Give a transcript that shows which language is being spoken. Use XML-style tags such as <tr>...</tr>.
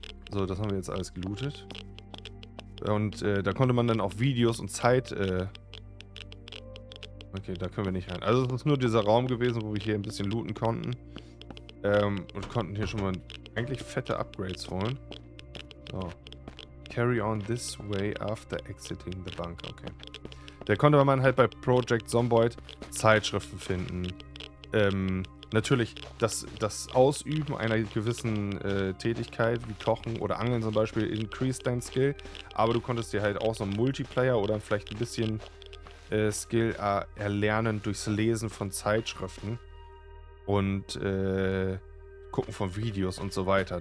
<de>So, das haben wir jetzt alles gelootet. Und da konnte man dann auch Videos und Zeit... Okay, da können wir nicht rein. Also es ist nur dieser Raum gewesen, wo wir hier ein bisschen looten konnten. Und konnten hier schon mal eigentlich fette Upgrades holen. So.</de> <en>Carry on this way after exiting the bank. Okay.</en> <de>Da konnte man halt bei Project Zomboid Zeitschriften finden. Natürlich, das Ausüben einer gewissen Tätigkeit, wie Kochen oder Angeln zum Beispiel, increased dein Skill. Aber du konntest dir halt auch so einen Multiplayer oder vielleicht ein bisschen Skill erlernen durchs Lesen von Zeitschriften und Gucken von Videos und so weiter.</de>